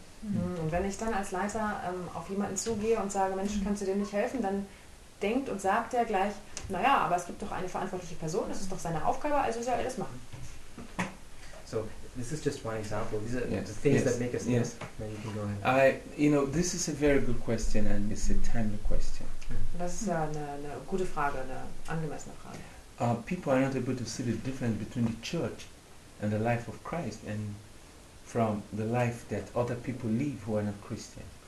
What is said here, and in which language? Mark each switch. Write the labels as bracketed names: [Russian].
[German] Und wenn ich dann als Leiter auf jemanden zugehe und sage, Mensch, kannst du dir nicht helfen, dann denkt und sagt er gleich, naja, aber es gibt doch eine verantwortliche Person, das ist doch seine Aufgabe, also soll er das machen. [English] So, this is just one example. These are the things that make us think. Yes. Then you can go ahead. You know, this is a very good question and it's a timely question. [German] Das ist eine gute Frage, eine angemessene Frage. [English] People are not able to see the difference between the church and the life of Christ and from the life that other people live who are not Christian.